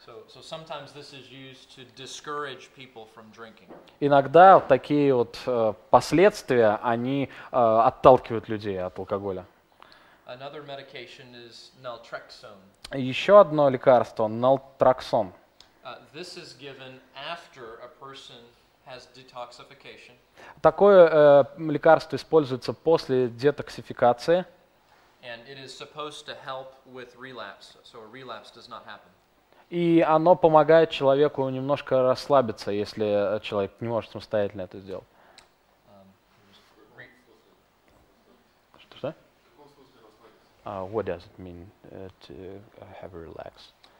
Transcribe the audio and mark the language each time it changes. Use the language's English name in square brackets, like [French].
[English] So sometimes this is used to discourage people from drinking. [Russian] Иногда такие вот последствия, они отталкивают людей от алкоголя. [English] Another medication is naltrexone. [Russian] Еще одно лекарство – Naltrexone. [English] This is given after a person has detoxification. [Russian] Такое лекарство используется после детоксификации. [English] And it is supposed to help with relapse, so a relapse does not happen. [Russian] И оно помогает человеку немножко расслабиться, если человек не может самостоятельно это сделать. Что? [English] What does it mean to have a relapse?